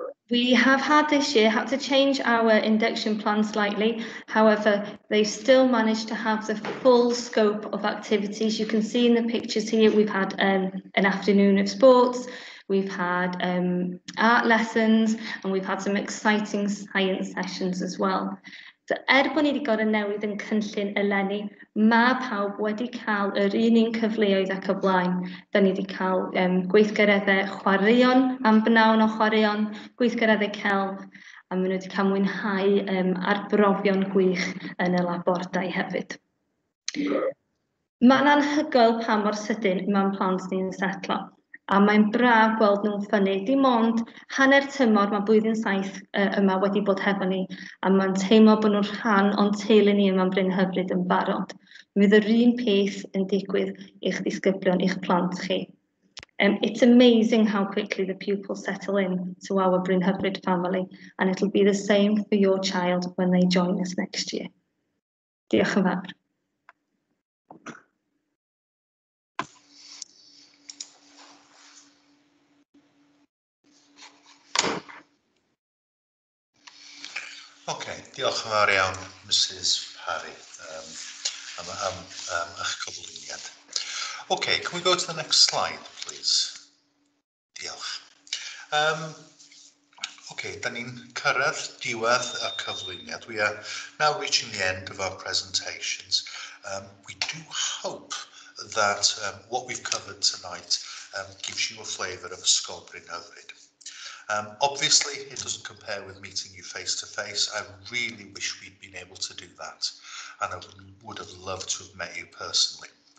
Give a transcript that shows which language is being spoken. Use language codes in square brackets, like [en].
[en] We have had this year had to change our induction plan slightly. However, they still managed to have the full scope of activities. You can see in the pictures here, we've had an afternoon of sports, we've had art lessons, and we've had some exciting science sessions as well. [cy] So er bod ni wedi gorau newid yn cynllun eleni, mae pawb wedi cael yr un cyfleoedd ac y blaen. Da ni wedi cael gweithgareddau chwaraeon am bnawn o chwaraeon, gweithgareddau celf, a maen nhw wedi cael mwynhau arbrofion gwych yn y labordau hefyd. Mae'n anhygoel pa mor sydyn mae'n plant ni'n setlo. A mae'n braf gweld nhw'n ffynnu. Dim ond hanner tymor mae blwyddyn saith yma wedi bod hefo ni. A mae'n teimlo bod nhw'n rhan o'n teulu ni yma'n Bryn Hyfryd yn barod. Fydd yr un peth yn digwydd i'ch disgyblion, i'ch plant chi. [en] It's amazing how quickly the pupils settle in to our Bryn Hyfryd family. And it'll be the same for your child when they join us next year. [cy] Diolch yn fawr. Okay, diolch yn fawr iawn, Mrs. Parry, am eich cyflwyniad. [en] Okay, can we go to the next slide, please? [cy] Diolch. Okay, dan ni'n cyrraedd diwedd y cyflwyniad. [en] We are now reaching the end of our presentations. We do hope that what we've covered tonight gives you a flavour of Ysgol Bryn Hyfryd. Obviously, it doesn't compare with meeting you face to face. I really wish we'd been able to do that, and I would have loved to have met you personally.